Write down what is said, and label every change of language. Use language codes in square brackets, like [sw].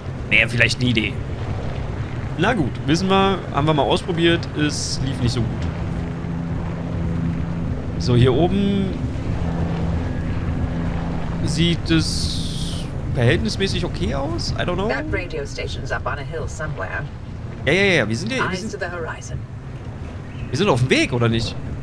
[de] Naja, vielleicht eine Idee. Na gut, wissen wir, haben wir mal ausprobiert. Es lief nicht so gut. So, hier oben sieht es verhältnismäßig okay aus. [en] I don't know. That radio station's up on a hill somewhere. [de] Ja, wir sind hier. Wir sind auf dem Weg, oder nicht?